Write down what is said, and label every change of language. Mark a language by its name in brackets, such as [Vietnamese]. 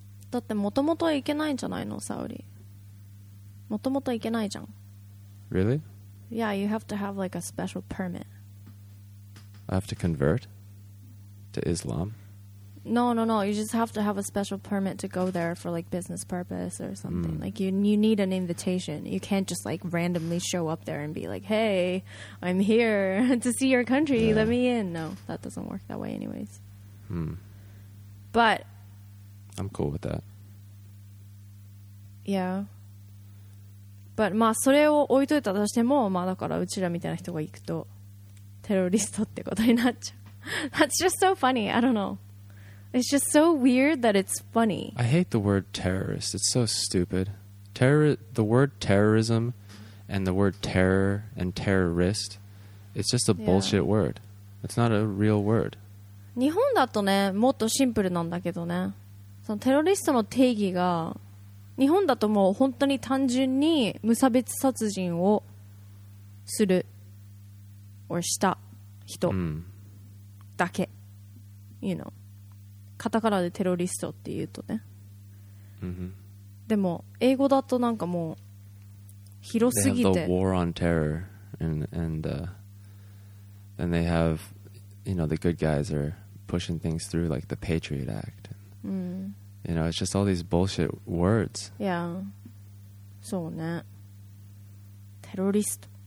[Japanese] だってもともと行けないんじゃないの、サウディ。もともと行けないじゃん。 [English] Really? Yeah, you have to have like a special permit. I have to convert to Islam? No. You just have to have a special permit to go there for like business purpose or something. Mm. Like you need an invitation. You can't just like randomly show up there and be like, hey, I'm here to see your country. Yeah. Let me in. No, that doesn't work that way anyways. Hmm. But. I'm cool with that. Yeah. But, [Japanese] まあそれを置いといたとしても、まあだからうちらみたいな人が行くと、テロリストってことになっちゃう。 [English] That's just so funny. I don't know. It's just so weird that it's funny. I hate the word terrorist. It's so stupid. The word terrorism and the word terror and terrorist, it's just a bullshit word. It's not a real word. [Japanese] 日本だとね、もっとシンプルなんだけどね。そのテロリストの定義が、日本だともう本当に単純に無差別殺人をする、 [English] or [Japanese] した人だけ。 [English] You know. [Japanese] カタカナでテロリストって言うとね、 mm-hmm. でも英語だとなんかもう広すぎて [English] They have the war on terror and they have, you know, the good guys are pushing things through like the Patriot Act、you know, it's just all these bullshit words. Yeah, [Japanese] そうね、テロリスト。